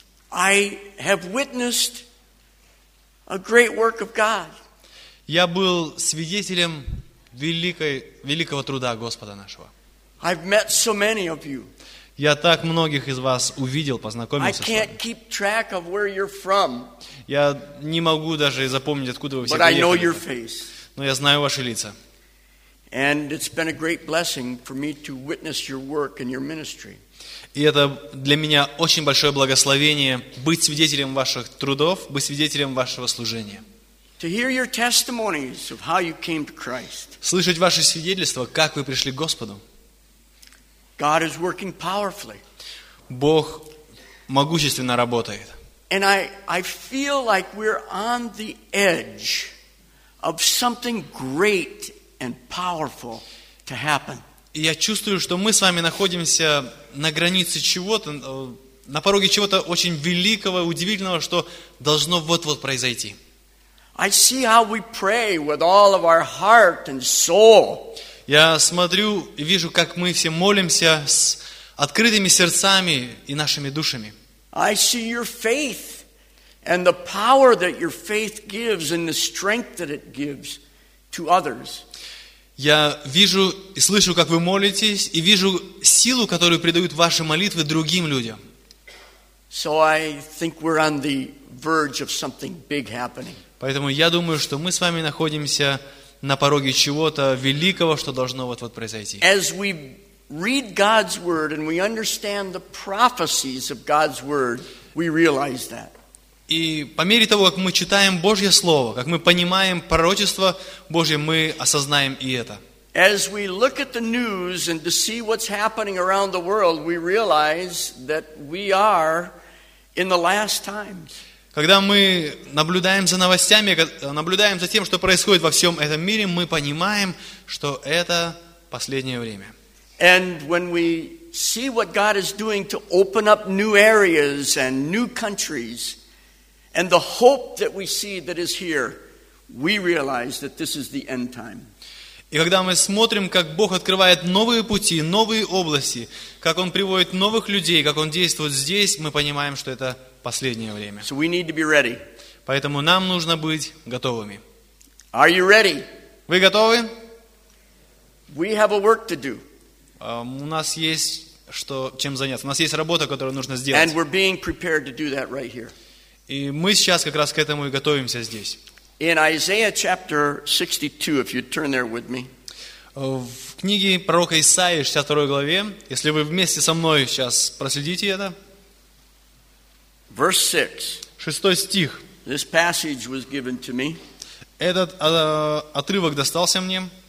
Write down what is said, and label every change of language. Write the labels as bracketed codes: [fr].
[en] I have witnessed a great work of God. [ru] Я был свидетелем великого труда Господа нашего. [en] I've met so many of you. [ru] Я так многих из вас увидел, познакомился с вами. [en] I can't keep track of where you're from. [ru] Я не могу даже запомнить, откуда вы все приехали. [en] But I know your face. [ru] Но я знаю ваши лица. [en] And it's been a great blessing for me to witness your work and your ministry. [ru] И это для меня очень большое благословение быть свидетелем ваших трудов, быть свидетелем вашего служения. [en] To hear your testimonies of how you came to Christ. [ru] Слышать ваши свидетельства, как вы пришли к Господу. [en] God is working powerfully. [ru] Бог могущественно работает. [en] And I feel like we're on the edge of something great and powerful to happen. [ru] Я чувствую, что мы с вами находимся на границе чего-то, на пороге чего-то очень великого, удивительного, что должно вот-вот произойти. [en] I see how we pray with all of our heart and soul. [ru] Я смотрю и вижу, как мы все молимся с открытыми сердцами и нашими душами. [en] I see your faith and the power that your faith gives and the strength that it gives to others. [ru] Я вижу и слышу, как вы молитесь, и вижу силу, которую придают ваши молитвы другим людям. [en] So I think we're on the verge of something big happening. [ru] Поэтому я думаю, что мы с вами находимся на пороге чего-то великого, что должно вот-вот произойти. [en] As we read God's word and we understand the prophecies of God's word, we realize that. [ru] И по мере того, как мы читаем Божье Слово, как мы понимаем пророчество Божье, мы осознаем и это. [en] As we look at the news and to see what's happening around the world, we realize that we are in the last times. [ru] Когда мы наблюдаем за новостями, наблюдаем за тем, что происходит во всем этом мире, мы понимаем, что это последнее время. [en] And when we see what God is doing to open up new areas and new countries, and the hope that we see that is here, we realize that this is the end time. [ru] И когда мы смотрим, как Бог открывает новые пути, новые области, как Он приводит новых людей, как Он действует здесь, мы понимаем, что это последнее время. [en] So we need to be ready. [ru] Поэтому нам нужно быть готовыми. [en] Are you ready? [ru] Вы готовы? [en] We have a work to do. [ru] У нас есть чем заняться. У нас есть работа, которую нужно сделать. [en] And we're being prepared to do that right here. [ru] И мы сейчас как раз к этому и готовимся здесь. [en] In Isaiah chapter 62, if you turn there with me. [ru] В книге пророка Исаии, 62 главе, если вы вместе со мной сейчас проследите это. [en] Verse 6. [ru] Шестой стих. [en] This passage was given to me. [ru] Этот отрывок достался мне.